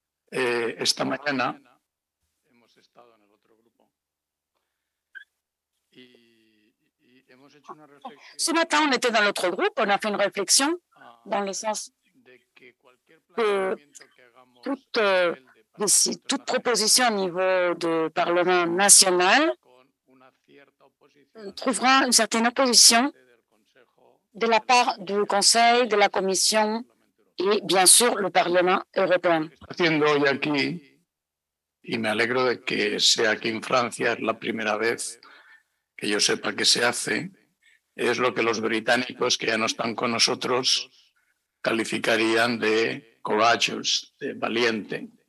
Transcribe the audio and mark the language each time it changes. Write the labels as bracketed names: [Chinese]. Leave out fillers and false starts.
[Spanish] Esta mañana hemos estado en el otro grupo y hemos hecho una reflexión. [French] Ce matin, on était dans l'autre groupe, on a fait une réflexion dans le sens que toute proposition au niveau du Parlement national trouvera une certaine opposition de la part du Conseil, de la Commission. Et bien sûr, le Parlement européen. [Spanish] Haciendo hoy aquí, y me alegro de que sea aquí en Francia, es la primera vez que yo sepa que se hace, es lo que los británicos que ya no están con nosotros calificarían de courageous, de valiente.